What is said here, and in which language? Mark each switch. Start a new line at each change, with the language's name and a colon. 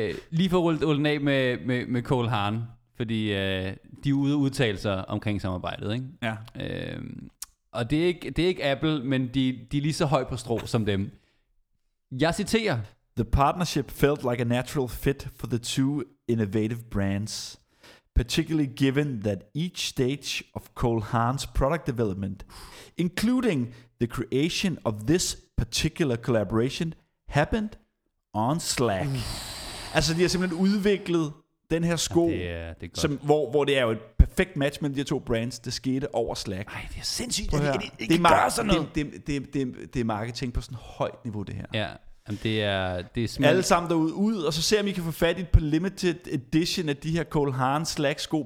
Danish: Lige for at rulle af med Cole Haan, fordi de er ude og udtale sig omkring samarbejdet. Ikke? Ja. Og det er ikke Apple, men de er lige så høj på strå som dem. Jeg citerer.
English: The partnership felt like a natural fit for the two innovative brands. Particularly given that each stage of Cole Haan's product development, including the creation of this particular collaboration, happened on Slack.
Danish: Altså, de har simpelthen udviklet den her sko, det er som, hvor det er jo et perfekt match mellem de to brands, det skete over Slack. Ej, det er sindssygt. Det kan gøre sådan noget. Det er marketing på sådan højt niveau, det her. Ja. Det er smidt. Alle sammen derude ud, og så ser om I kan få fat i et par limited edition af de her Cole Haan Slack sko.